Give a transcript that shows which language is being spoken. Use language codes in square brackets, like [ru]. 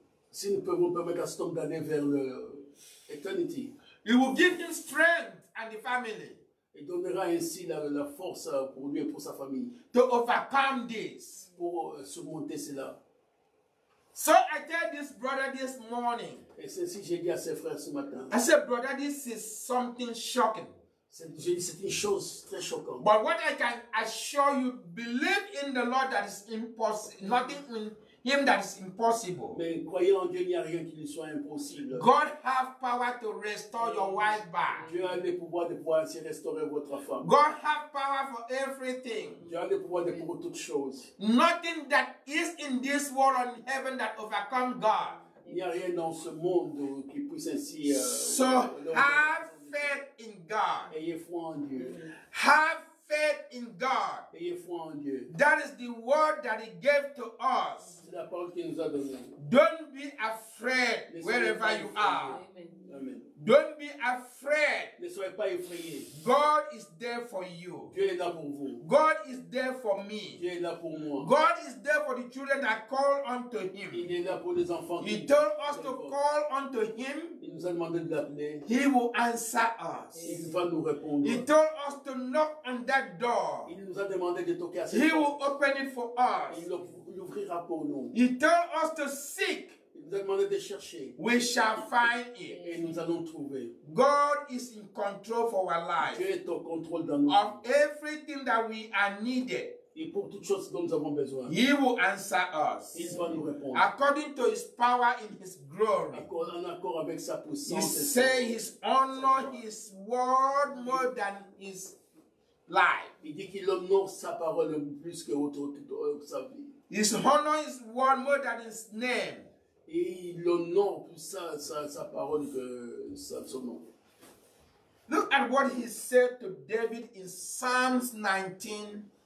[fr] si nous pouvons permettre à cet homme d'aller vers l'éternité, [en] il will give him strength and the family. [fr] Il donnera ainsi la force pour lui et pour sa famille. [en] To overcome this. [fr] Pour surmonter cela. [en] So I tell this brother this morning. [fr] Et c'est ce que j'ai dit à ses frères ce matin. [en] I said, brother, this is something shocking. [fr] C'est une chose très choquante. [en] But what I can assure you, believe in the Lord that is impossible. Nothing him that is impossible. [fr] Mais croyez en Dieu, il n'y a rien qui ne soit impossible. [en] God have power to restore your wife back. [fr] Dieu a le pouvoir de pouvoir ainsi restaurer votre femme. [en] God have power for everything. [fr] Dieu a le pouvoir de pour toutes choses. [en] Nothing that is in this world or in heaven that overcome God. [fr] Il n'y a rien dans ce monde qui puisse ainsi. [en] So have faith in God. [fr] Ayez foi en Dieu. [en] Have faith in God. [fr] Ayez foi en Dieu. [en] That is the word that He gave to us. [fr] C'est la parole qu'il nous a donnée. [en] Don't be afraid wherever you are. Amen. Don't be afraid. [fr] Ne soyez pas effrayés. [en] God is there for you. [fr] Dieu est là pour vous. [en] God is there for me. [fr] Dieu est là pour moi. [en] God is there for the children that call unto Him. [fr] Il est là pour les enfants. [en] He told us to call unto Him. [fr] Il nous a demandé de l'appeler. [en] He will answer us. [fr] Il va nous répondre. [en] He told us to knock on that door. [fr] Il nous a demandé de toquer à cette [en] porte. He will open it for us. [fr] Il l'ouvrira pour nous. [en] He told us to seek. [fr] Vous avez demandé de chercher. [en] We shall find it. [fr] Et nous allons trouver. [en] God is in control for our life. [fr] Dieu est au contrôle dans nos vies. [en] Of everything that we are needed. [fr] Et pour toutes choses dont nous avons besoin. [en] He will answer us. [fr] Il va nous répondre. [en] According to His power in His glory. [fr] En accord avec sa puissance. [en] He say His honor, His word more than His life. [fr] Il dit qu'il honore sa parole plus que autre sa vie. [en] His honor, His word more than His name. [fr] Et le nom, sa parole, son nom. [en] Look at what he said to David in Psalms 19.